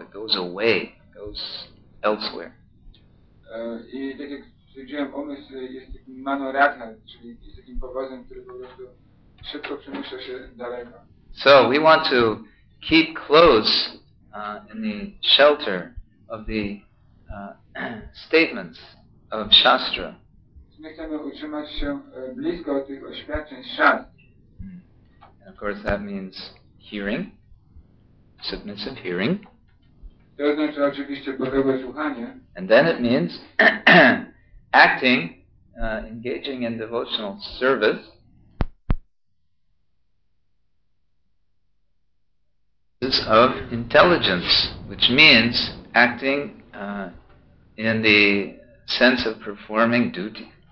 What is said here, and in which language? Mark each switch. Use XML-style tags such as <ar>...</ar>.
<en>It goes away, it goes elsewhere.</en> <pl>I tak jak powiedziałem, umysł jest takim manorata, czyli jest takim powozem, który po prostu szybko przemieszcza się daleko.</pl> <en>So we want to keep close in the shelter of the statements of Shastra.</en> <pl>My chcemy utrzymać się blisko tych oświadczeń Shastra.</pl> <en>Of course, that means hearing, submissive hearing.</en> <pl>To oznacza oczywiście gotowe słuchanie.</pl> <en>And then it means acting, engaging in devotional service. This is of intelligence, which means acting in the sense of performing duty.</en>